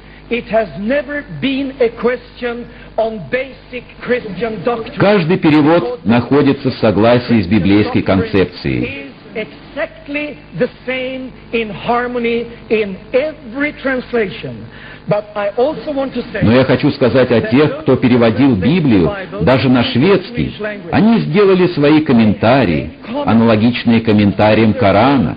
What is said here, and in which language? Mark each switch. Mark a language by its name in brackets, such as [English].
[English] It has never been a question on basic Christian doctrine. [Russian] Каждый перевод находится в согласии с библейской концепцией. [English] Exactly the same in harmony in every translation. But I also want to say. [Russian] Но я хочу сказать о тех, кто переводил Библию, даже на шведский. Они сделали свои комментарии, аналогичные комментариям Корана.